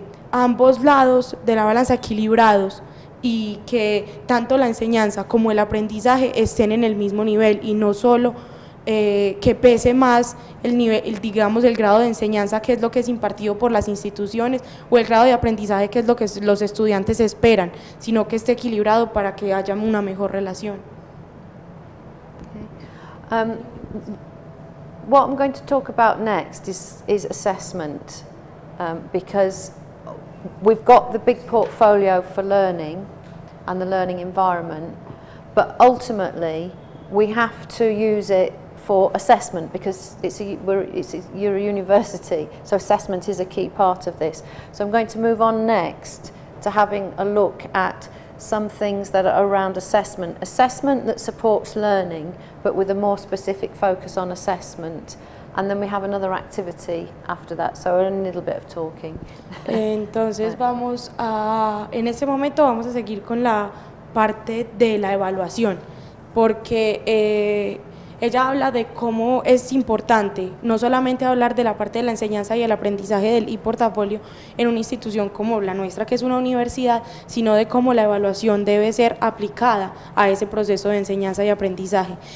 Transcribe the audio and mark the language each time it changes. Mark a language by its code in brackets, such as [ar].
[es] ambos lados de la balanza equilibrados, y que tanto la enseñanza como el aprendizaje estén en el mismo nivel, y no solo que pese más el nivel, digamos, el grado de enseñanza, que es lo que es impartido por las instituciones, o el grado de aprendizaje, que es lo que los estudiantes esperan, sino que esté equilibrado para que haya una mejor relación. [en] Okay. What I'm going to talk about next is assessment, because we've got the big portfolio for learning and the learning environment, but ultimately we have to use it for assessment, because you're a university, so assessment is a key part of this. So I'm going to move on next to having a look at some things that are around assessment. Assessment that supports learning, but with a more specific focus on assessment. And then we have another activity after that, so a little bit of talking. [es] Entonces vamos a, en ese momento vamos a seguir con la parte de la evaluación, porque ella habla de cómo es importante no solamente hablar de la parte de la enseñanza y el aprendizaje del e-portafolio en una institución como la nuestra, que es una universidad, sino de cómo la evaluación debe ser aplicada a ese proceso de enseñanza y aprendizaje.